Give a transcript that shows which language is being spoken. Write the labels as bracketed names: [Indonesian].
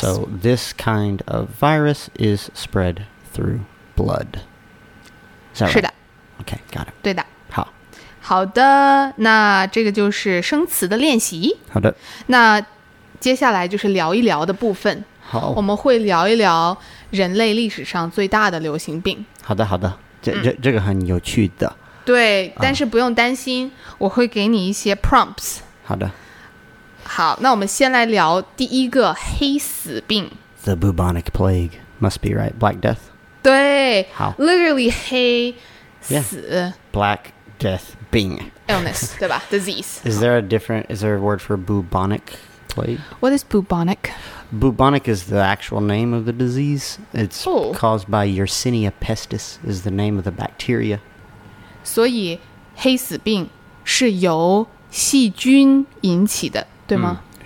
[English] So this kind of virus is spread through blood. Is that [Chinese] 是的, [English] right? Okay, got it. [Chinese] 对的, 好, 好的, 那这个就是生词的练习, 好的, 那接下来就是聊一聊的部分, 好, 我们会聊一聊, 人类历史上最大的流行病好的 这个很有趣的对, 但是不用担心 我会给你一些prompts 好的好, 那我们先来聊第一个黑死病 [English] The bubonic plague Must be right, black death [Chinese] 对, 好, literally 黑死 [English] yeah. Black death 病 Illness, [Chinese] 对吧, [English] disease Is there a different, is there a word for bubonic plague? What is bubonic? Bubonic is the actual name of the disease. It's caused by Yersinia pestis, is the name of the bacteria. [Chinese] 所以黑死病是由细菌引起的,对吗?